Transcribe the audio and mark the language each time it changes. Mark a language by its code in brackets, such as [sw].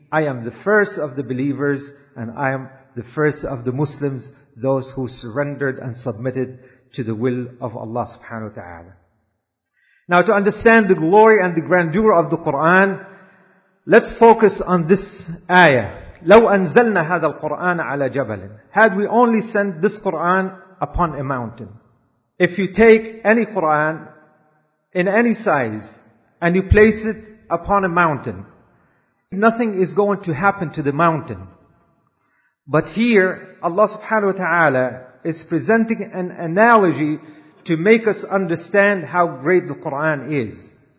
[en] I am the first of the believers and I am the first of the Muslims, those who surrendered and submitted to the will of Allah subhanahu wa ta'ala. Now to understand the glory and the grandeur of the Quran, let's focus on this ayah. [ar] لو أنزلنا هذا القرآن على جبل. [en] Had we only sent this Quran upon a mountain. If you take any Quran in any size and you place it upon a mountain, nothing is going to happen to the mountain. But here, Allah subhanahu wa ta'ala is presenting an analogy to make us understand how great the Quran is.